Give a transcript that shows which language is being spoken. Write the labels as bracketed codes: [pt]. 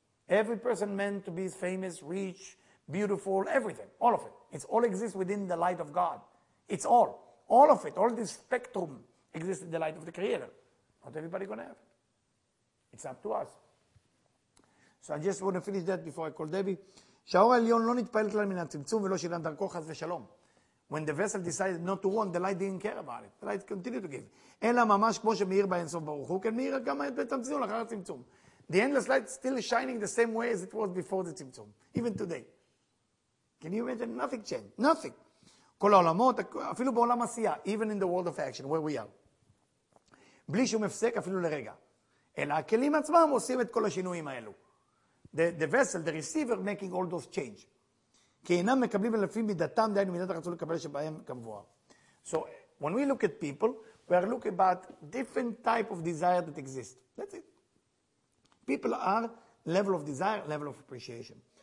[en] Every person meant to be famous, rich, beautiful, everything, all of it. It all exists within the light of God. It's all. All of it, all this spectrum exists in the light of the Creator. Not everybody going to have it. It's up to us. So I just want to finish that before I call Debbie. [he] שהאור העליון לא נתפעל כלל מן הצמצום ולא שינה דרכו חס ושלום. [en] When the vessel decided not to want, the light didn't care about it. The light continued to give. [he] אלא ממש כמו שמאיר באינסוף ברוך הוא, כן מאיר גם את הצמצום לאחר הצמצום. [en] The endless light still shining the same way as it was before the צמצום. Even today. Can you imagine? Nothing changed. Nothing. [he] כל העולמות, אפילו בעולם עשייה, [en] even in the world of action, where we are. [he] בלי שום הפסק אפילו לרגע. אלא הכלים עצמם עושים את כל השינויים האלו. [en] The vessel, the receiver, making all those change. [he] כי אינם מקבלים אלפי מידתם, דיין ומידת הרצו לקבל שבהם כמבואה. [en] So, when we look at people, we are looking about different type of desire that exist. That's it. People are level of desire, level of appreciation.